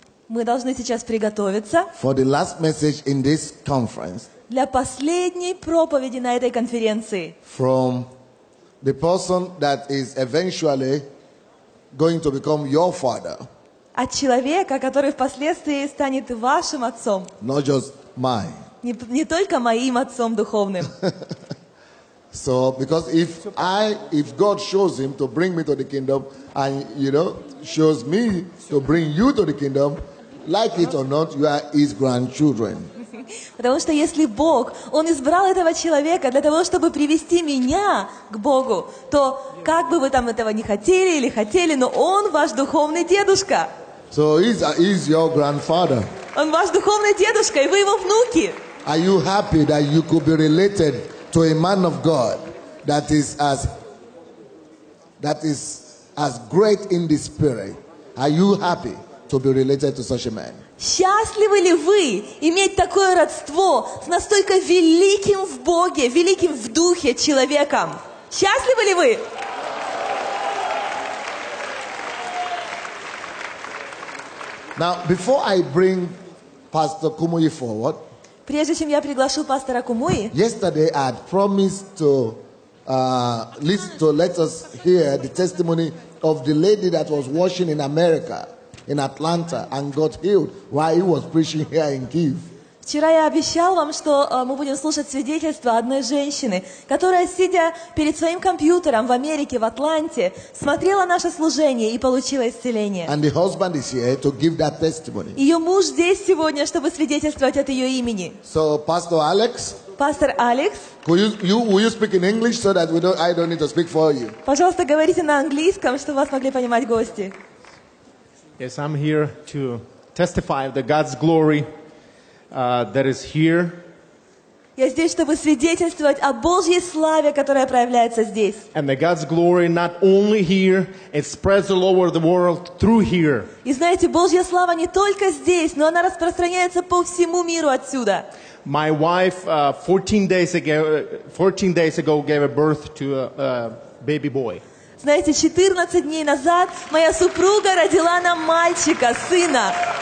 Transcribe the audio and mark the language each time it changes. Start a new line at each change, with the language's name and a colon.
Russian: Мы должны сейчас приготовиться.
English: For the last message in this conference.
Russian: Для последней проповеди на этой конференции.
English: From the person that is eventually going to become your father.
Russian: От человека, который впоследствии станет вашим отцом.
English: Not just mine.
Russian: Не только моим отцом духовным.
English: So, because if God shows him to bring me to the kingdom, and you know, shows me to bring you to the kingdom, like it or not, you are his grandchildren.
Russian: Потому что если Бог, он избрал этого человека для того, чтобы привести меня к Богу, то как бы вы там этого не хотели или хотели, но он ваш духовный дедушка.
English: So he's your grandfather.
Russian: Он ваш духовный дедушка, и вы его внуки.
English: Are you happy that you could be related to a man of God that is as great in the spirit? Are you happy to be related to such a man?
Russian: Счастливы ли вы иметь такое родство с настолько великим в Боге, великим в духе человеком? Счастливы ли вы?
English: Now, before I bring Pastor Kumuyi forward,
Russian: прежде чем я приглашу пастора Кумуи,
English: yesterday I had promised to let us hear the testimony of the lady that was washing in America, in Atlanta, and got healed while he was preaching here in Kyiv.
Russian: Вчера я обещал вам, что мы будем слушать свидетельство одной женщины, которая, сидя перед своим компьютером в Америке, в Атланте, смотрела наше служение и получила исцеление.
English: And the husband is here to give that testimony.
Russian: Ее муж здесь сегодня, чтобы свидетельствовать от ее имени.
English: So, Pastor Alex. Pastor Alex. Will you speak in English so that I don't need to speak for you?
Russian: Пожалуйста, говорите на английском, чтобы вас могли понимать гости.
English: Yes, I'm here to testify of the God's glory. That is here.
Russian: Я здесь, чтобы свидетельствовать о Божьей славе, которая проявляется здесь.
English: And the God's glory not only here, it spreads all over the world through here.
Russian: И знаете, Божья слава не только здесь, но она распространяется по всему миру отсюда.
English: My wife 14 days ago gave birth to a baby boy.
Russian: Знаете, 14 дней назад моя супруга родила нам мальчика, сына.